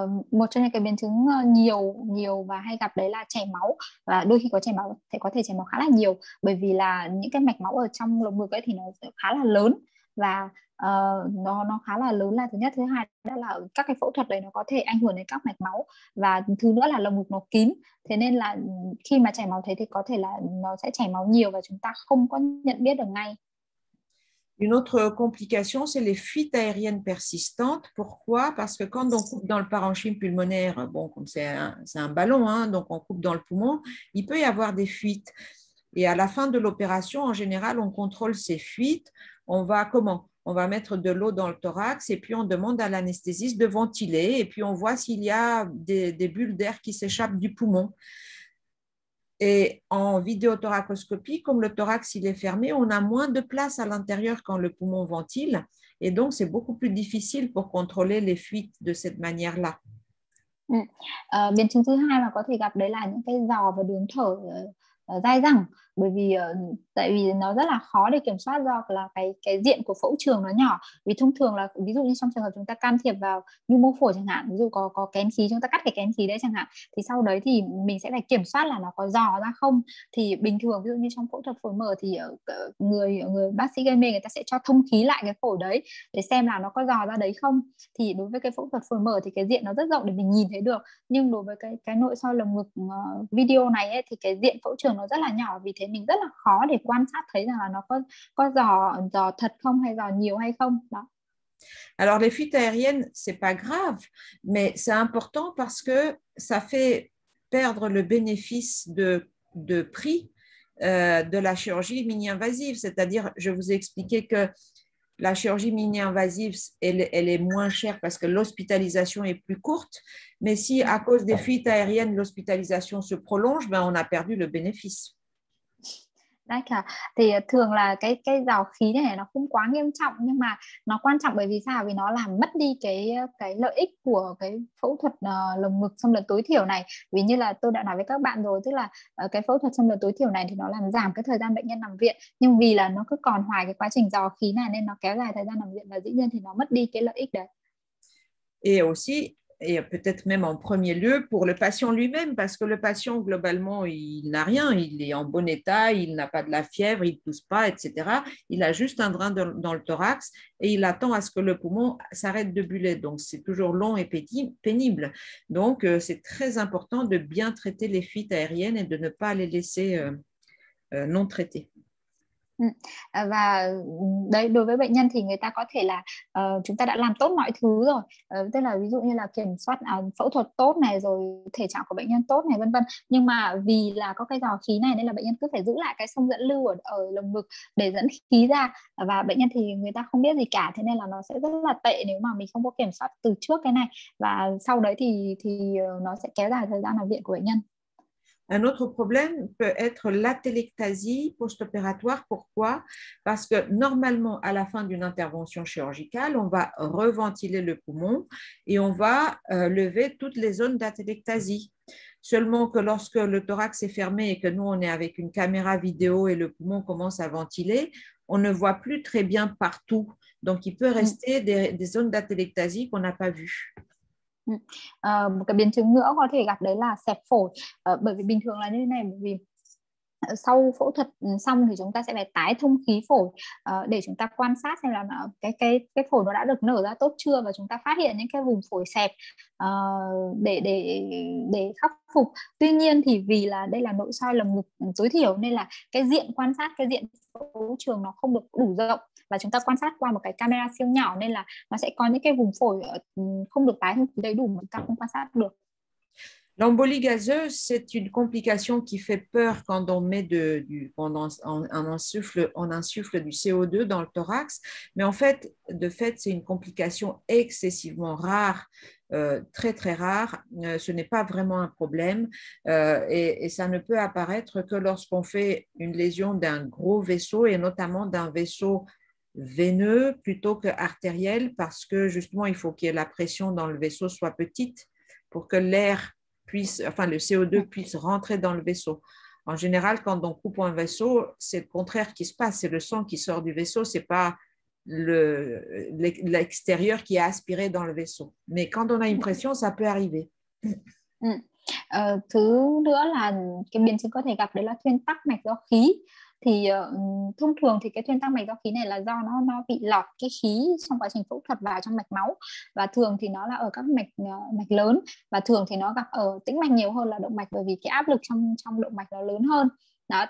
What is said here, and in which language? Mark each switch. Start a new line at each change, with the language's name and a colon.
Vietnamese: Một trong những cái biến chứng nhiều nhiều và hay gặp đấy là chảy máu, và đôi khi có thể chảy máu khá là nhiều, bởi vì là những cái mạch máu ở trong lồng ngực ấy thì nó khá là lớn. Và nó khá là lớn là thứ nhất, thứ hai đó là các cái phẫu thuật đấy nó có thể ảnh hưởng đến các mạch máu, và thứ nữa là lồng ngực nó kín, thế nên là khi mà chảy máu thế thì có thể là nó sẽ chảy máu nhiều và chúng ta không có nhận biết được ngay.
French: Une autre complication, c'est les fuites aériennes persistantes. Pourquoi? Parce que quand on coupe dans le parenchyme pulmonaire, bon, comme c'est un ballon, hein, donc on coupe dans le poumon, il peut y avoir des fuites. Et à la fin de l'opération, en général, on contrôle ces fuites. On va comment? On va mettre de l'eau dans le thorax et puis on demande à l'anesthésiste de ventiler et puis on voit s'il y a des bulles d'air qui s'échappent du poumon. Et en vidéothoracoscopie, comme le thorax il est fermé, on a moins de place à l'intérieur quand le poumon ventile. Et donc, c'est beaucoup plus difficile pour contrôler les fuites de cette manière-là.
Vietnamese: Biến chứng thứ hai mà có thể gặp đấy là những cái giò và đường thở dai dẳng, bởi vì tại vì nó rất là khó để kiểm soát do là cái diện của phẫu trường nó nhỏ. Vì thông thường là ví dụ như trong trường hợp chúng ta can thiệp vào nhu mô phổi chẳng hạn, ví dụ có kén khí, chúng ta cắt cái kén khí đấy chẳng hạn, thì sau đấy thì mình sẽ phải kiểm soát là nó có giò ra không. Thì bình thường ví dụ như trong phẫu thuật phổi mở thì người người bác sĩ gây mê người ta sẽ cho thông khí lại cái phổi đấy để xem là nó có giò ra đấy không. Thì đối với cái phẫu thuật phổi mở thì cái diện nó rất rộng để mình nhìn thấy được, nhưng đối với cái nội soi lồng ngực video này ấy, thì cái diện phẫu trường nó rất là nhỏ, vì thế mình rất là khó để quan sát thấy rằng là nó có giò giò thật không hay giò nhiều hay không đó.
French: Alors, les fuites aériennes, ce n'est pas grave, mais c'est important parce que ça fait perdre le bénéfice de prix de la chirurgie mini-invasive. C'est-à-dire, je vous ai expliqué que la chirurgie mini-invasive, elle est moins chère parce que l'hospitalisation est plus courte. Mais si à cause des fuites aériennes, l'hospitalisation se prolonge, ben, on a perdu le bénéfice. D'accord.
Vietnamese: Thì thường là cái giò khí này nó không quá nghiêm trọng, nhưng mà nó quan trọng bởi vì sao? Vì nó làm mất đi cái lợi ích của cái phẫu thuật lồng ngực xâm lấn tối thiểu này. Vì như là tôi đã nói với các bạn rồi, tức là cái phẫu thuật xâm lấn tối thiểu này thì nó làm giảm cái thời gian bệnh nhân nằm viện, nhưng vì là nó cứ còn hoài cái quá trình giò khí này nên nó kéo dài thời gian nằm viện, và dĩ nhiên thì nó mất đi cái lợi ích đấy.
French: Et aussi, et peut-être même en premier lieu, pour le patient lui-même, parce que le patient, globalement, il n'a rien, il est en bon état, il n'a pas de la fièvre, il ne tousse pas, etc. Il a juste un drain dans le thorax et il attend à ce que le poumon s'arrête de buller. Donc, c'est toujours long et pénible. Donc, c'est très important de bien traiter les fuites aériennes et de ne pas les laisser non traitées.
Vietnamese: Và đấy, đối với bệnh nhân thì người ta có thể là chúng ta đã làm tốt mọi thứ rồi, tức là ví dụ như là kiểm soát phẫu thuật tốt này, rồi thể trạng của bệnh nhân tốt này, vân vân, nhưng mà vì là có cái giò khí này nên là bệnh nhân cứ phải giữ lại cái sông dẫn lưu ở lồng ngực để dẫn khí ra, và bệnh nhân thì người ta không biết gì cả, thế nên là nó sẽ rất là tệ nếu mà mình không có kiểm soát từ trước cái này, và sau đấy thì nó sẽ kéo dài thời gian nằm viện của bệnh nhân.
French: Un autre problème peut être l'atélectasie post-opératoire. Pourquoi? Parce que normalement, à la fin d'une intervention chirurgicale, on va reventiler le poumon et on va lever toutes les zones d'atélectasie. Seulement que lorsque le thorax est fermé et que nous, on est avec une caméra vidéo et le poumon commence à ventiler, on ne voit plus très bien partout. Donc, il peut rester des zones d'atélectasie qu'on n'a pas vues.
Vietnamese: Một cái biến chứng nữa có thể gặp đấy là xẹp phổi, bởi vì bình thường là như thế này, bởi vì sau phẫu thuật xong thì chúng ta sẽ phải tái thông khí phổi để chúng ta quan sát xem là cái phổi nó đã được nở ra tốt chưa, và chúng ta phát hiện những cái vùng phổi xẹp để khắc phục. Tuy nhiên thì vì là đây là nội soi lồng ngực tối thiểu nên là cái diện quan sát, cái diện phẫu trường nó không được đủ rộng, và chúng ta quan sát qua một cái camera siêu nhỏ nên là nó sẽ có những cái vùng phổi không được tái đầy đủ mà chúng ta không quan sát được.
French: L'embolie gazeuse, c'est une complication qui fait peur quand on met on insuffle du CO2 dans le thorax. Mais en fait, de fait, c'est une complication excessivement rare, très très rare. Ce n'est pas vraiment un problème, et ça ne peut apparaître que lorsqu'on fait une lésion d'un gros vaisseau et notamment d'un vaisseau veineux plutôt que artériel, parce que justement, il faut que la pression dans le vaisseau soit petite pour que l'air puisse, enfin, le CO2 puisse rentrer dans le vaisseau. En général, quand on coupe un vaisseau, c'est le contraire qui se passe. C'est le sang qui sort du vaisseau, c'est pas l'extérieur qui est aspiré dans le vaisseau. Mais quand on a une pression, ça peut arriver.
Vietnamese: Thứ nữa là cái biến chứng có thể gặp đấy là thuyên tắc mạch do khí. Thì thông thường thì cái thuyên tắc mạch do khí này là do nó bị lọt cái khí trong quá trình phẫu thuật vào trong mạch máu, và thường thì nó là ở các mạch mạch lớn, và thường thì nó gặp ở tĩnh mạch nhiều hơn là động mạch, bởi vì cái áp lực trong trong động mạch nó lớn hơn đó.